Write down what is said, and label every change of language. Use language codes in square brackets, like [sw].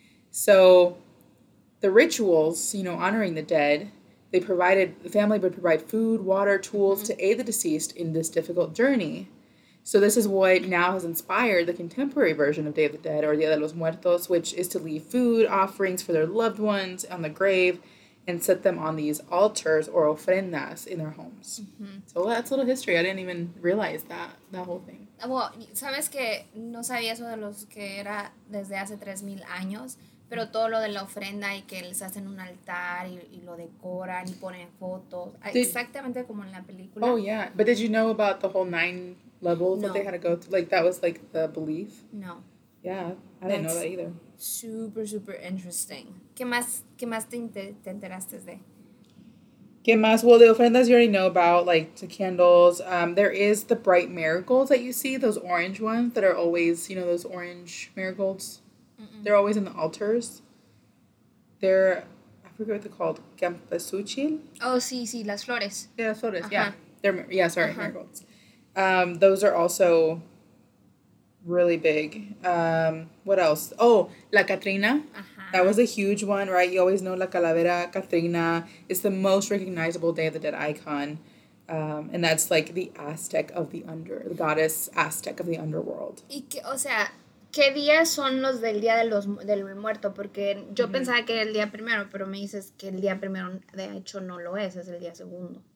[en] So the rituals, you know, honoring the dead, the family would provide food, water, tools mm-hmm. to aid the deceased in this difficult journey. So this is what now has inspired the contemporary version of Day of the Dead, or Día de los Muertos, which is to leave food offerings for their loved ones on the grave and set them on these altars or ofrendas in their homes. Mm-hmm. So that's a little history. I didn't even realize that whole thing. [es] Well, sabes que no sabía eso de los que era desde hace 3,000 años, pero todo lo de la ofrenda y que les hacen un altar y lo decoran y ponen fotos, exactamente como en la película. Oh, yeah. [en] But did you know about the whole 9 levels that they had to go through? Like, that was, like, the belief? No. Yeah, I didn't know that either. Super, super interesting. [es] ¿Qué más te enteraste de? ¿Qué más? [en] Well, the ofrendas you already know about, like the candles. There is the bright marigolds that you see, those orange ones that are always, you know, those orange marigolds. Mm-mm. They're always in the altars. They're, I forget what they're called, campesuchil? [es] Oh, sí, sí, las flores. [en] Yeah, [es] las flores, [en] uh-huh. Yeah. They're, yeah, sorry, uh-huh. Marigolds. Those are also really big. What else? Oh, La Catrina. Uh-huh. That was a huge one, right? You always know La Calavera, Catrina. It's the most recognizable Day of the Dead icon. And that's like the Aztec of the under, the goddess Aztec of the underworld. [es] Y que, o sea, ¿qué días son los del Día de los del Muerto? Porque yo mm-hmm. pensaba que era el día primero, pero me dices que el día primero, de hecho, no lo es el día segundo.